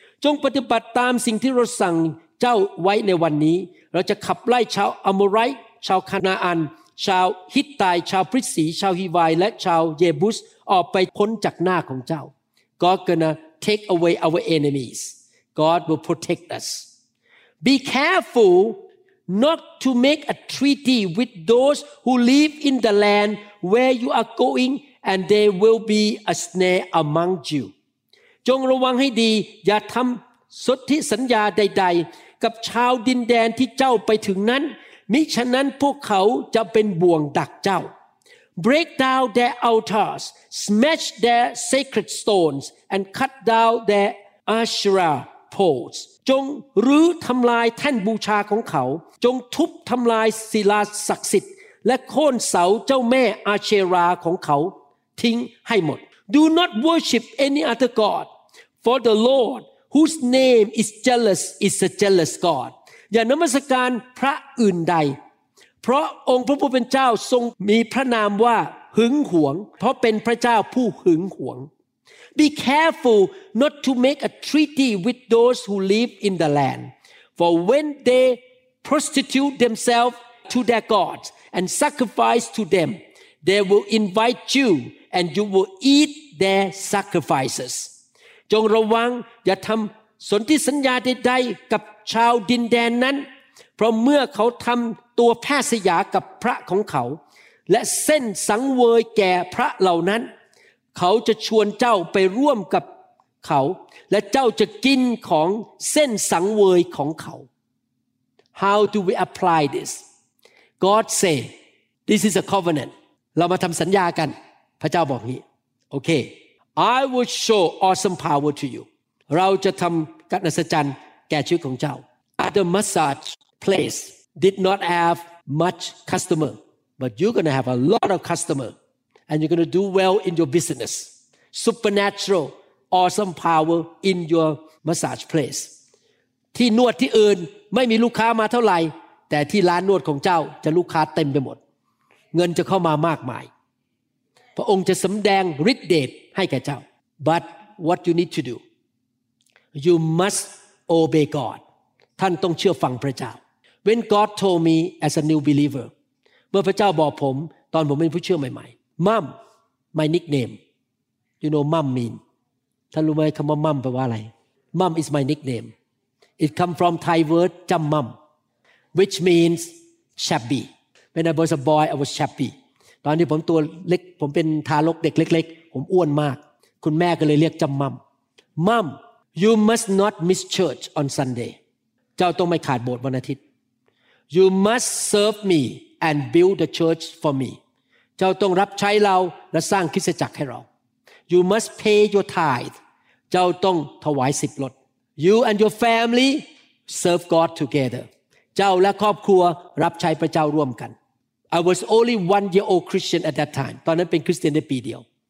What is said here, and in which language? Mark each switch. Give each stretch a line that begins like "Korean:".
Thai: จงปฏิบัติตามสิ่งที่เราสั่งเจ้าไว้ในวันนี้เราจะขับไล่ชาวอโมไรต์ชาวคานาอันชาวฮิตไตชาวพริสีชาวฮีไวและชาวเยบุสออกไปพ้นจากหน้าของเจ้า
English: God gonna take away our enemies. God will protect us. Be carefulNot to make a treaty with those who live in the land where you are going, and there will be a snare among you.
Thai: จงระวังให้ดีอย่าทำสนธิสัญญาใดๆกับชาวดินแดนที่เจ้าไปถึงนั้นมิฉะนั้นพวกเขาจะเป็นบ่วงดักเจ้า
English: Break down their altars, smash their sacred stones, and cut down their Asherah poles.
Thai: จงรื้อทำลายแท่นบูชาของเขาจงทุบทำลายศิลาศักดิ์สิทธิ์และโค่นเสาเจ้าแม่อาเชราของเขาทิ้งให้หมด
English: Do not worship any other god for the Lord whose name is jealous is a jealous god
Thai: อย่านมัสการพระอื่นใด เพราะองค์พระผู้เป็นเจ้าทรงมีพระนามว่าหึงหวงเพราะเป็นพระเจ้าผู้หึงหวง
English: Be careful not to make a treaty with those who live in the land. For when they prostitute themselves to their gods and sacrifice to them, they will invite you and you will eat their sacrifices.
Thai: จงระวังอย่าทำสนธิสัญญาใดๆกับชาวดินแดนนั้นเพราะเมื่อเขาทำตัวแพร่สยากับพระของเขาและเส้นสังเวยแก่พระเหล่านั้นเขาจะชวนเจ้าไปร่วมกับเขาและเจ้าจะกินของเส้นสังเวยของเขา
English: How do we apply this? God say, this is a covenant.
Thai: เรามาทำสัญญากันพระเจ้าบอกนี้
English: Okay, I will show awesome power to you.
Thai: เราจะทำการอัศจรรย์แก่ชีวิตของเจ้า
English: Other massage place did not have much customer, but you're going to have a lot of customerAnd you're going to do well in your business. Supernatural, awesome power in your massage place.
Thai: ที่นวดที่อื่นไม่มีลูกค้ามาเท่าไหร่แต่ที่ร้านนวดของเจ้าจะลูกค้าเต็มไปหมดเงินจะเข้ามามากมายพระองค์จะสำแดงฤทธิ์เดชให้แก่เจ้า
English: But what you need to do? You must obey God.
Thai: ท่านต้องเชื่อฟังพระเจ้า
English: When God told me as a new believer,
Thai: เมื่อพระเจ้าบอกผมตอนผมเป็นผู้เชื่อใหม่ๆ
English: Mom, my nickname. You know, Mom mean.
Thai: ท่านรู้ไหมคำว่า Mom แปลว่าอะไร
English: Mom is my nickname. It come from Thai word Jammam, which means chubby. When I was a boy, I was chubby.
Thai: ตอนที่ผมตัวเล็กผมเป็นทารกเด็กเล็กๆผมอ้วนมากคุณแม่ก็เลยเรียก Jammam.
English: Mom, you must not miss church on Sunday.
Thai: เจ้าต้องไม่ขาดโบสถ์วันอาทิตย์
English: You must serve me and build the church for me.
Thai: เจ้าต้องรับใช้เราและสร้างคริสตจักรให้เรา
English: You must pay your tithe
Thai: เจ้าต้องถวายสิบลด
English: You and your family serve God together
Thai: เจ้าและครอบครัวรับใช้พระเจ้าร่วมกัน
English: I was only 1 year old Christian at that time
Thai: ตอนนั้นเป็นคริสเตียนได้ปีเดียว